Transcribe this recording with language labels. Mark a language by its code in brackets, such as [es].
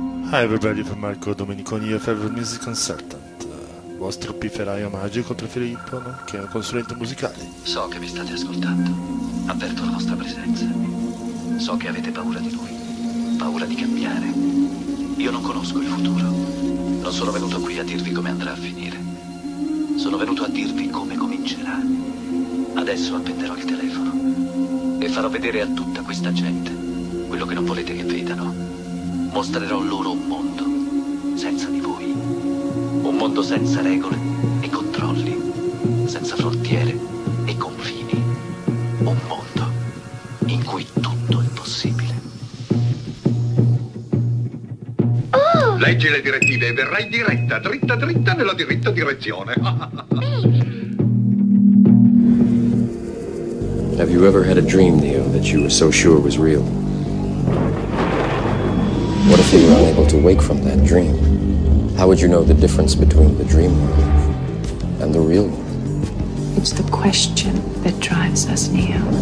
[en] Hi everybody, from Marco Domenico, your favorite music consultant. [it] Vostro pifferaio magico preferito, nonché un consulente musicale. So che mi state ascoltando, avverto la vostra presenza. So che avete paura di lui, paura di cambiare. Io non conosco il futuro. Non sono venuto qui a dirvi come andrà a finire. Sono venuto a dirvi come comincerà. Adesso appenderò il telefono e farò vedere a tutta questa gente quello che non volete che vedano. Mostrerò loro un mondo senza di voi. Un mondo senza regole e controlli, senza frontiere e confini. Un mondo in cui tutto è possibile. Oh! Leggi le direttive e verrai diretta, dritta dritta nella diritta direzione. [en] Have you ever had a dream, Neo, that you were so sure was real? What if you were unable to wake from that dream? How would you know the difference between the dream world and the real world? It's the question that drives us, Neo.